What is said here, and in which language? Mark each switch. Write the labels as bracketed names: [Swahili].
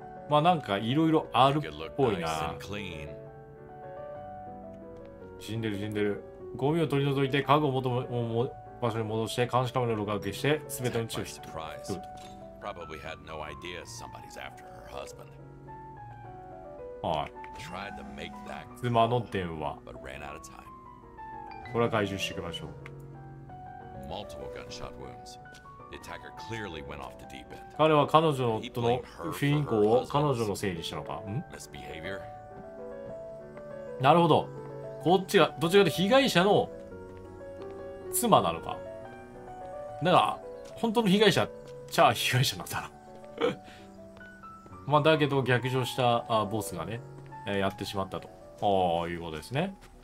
[Japanese] まあなんかいろいろあるっぽいな。死んでる死んでる。ゴミを取り除いて家具を場所に戻して監視カメラを録画して全てに注意してる。 [English] Probably had no idea somebody's after her husband. Tried to make that call, but ran out of time. [Japanese] これは回収していきましょう。 [English] Multiple gunshot wounds. The attacker clearly went off the deep end. [Japanese] 彼は彼女の夫の不倫行を彼女のせいにしたのか。 Misbehavior. なるほど。こっちがどちらかというと被害者の妻なのか。だが本当の被害者。じゃあ被害者なんだな。まあだけど逆上したボスがね、やってしまったとああいうことですね。